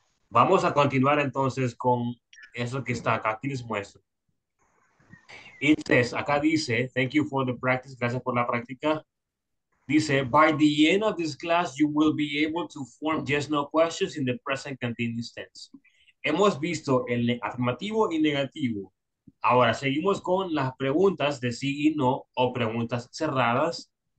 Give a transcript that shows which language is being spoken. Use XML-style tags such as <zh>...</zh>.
<es>Vamos a continuar entonces con eso que está acá. Aquí les muestro.</es> <en>It says,</en> <es>acá dice,</es> <en>thank you for the practice.</en> <es>Gracias por la práctica. Dice,</es> <en>by the end of this class, you will be able to form yes, no questions in the present continuous tense.</en> <es>Hemos visto el afirmativo y negativo. Ahora, seguimos con las preguntas de sí y no, o preguntas cerradas.</es>